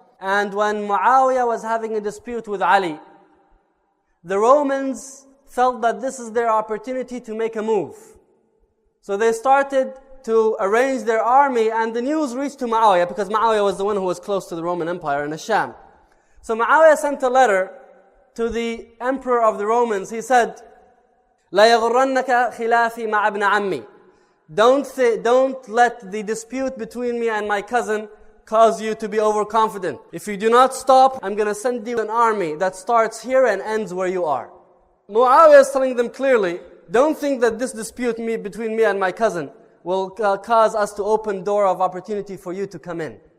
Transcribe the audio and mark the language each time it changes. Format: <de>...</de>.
<en>And when Muawiyah was having a dispute with Ali, the Romans felt that this is their opportunity to make a move. So they started to arrange their army, and the news reached to Muawiyah, because Muawiyah was the one who was close to the Roman Empire in Hisham. So Muawiyah sent a letter to the emperor of the Romans. He said,</en> <ar>لَيَغُرَّنَّكَ خِلَافِي مَعَ أَبْنَ عَمِّي.</ar> <en>Don't let the dispute between me and my cousin cause you to be overconfident. If you do not stop, I'm going to send you an army that starts here and ends where you are. Muawiyah is telling them clearly, don't think that this dispute between me and my cousin will cause us to open door of opportunity for you to come in.</en>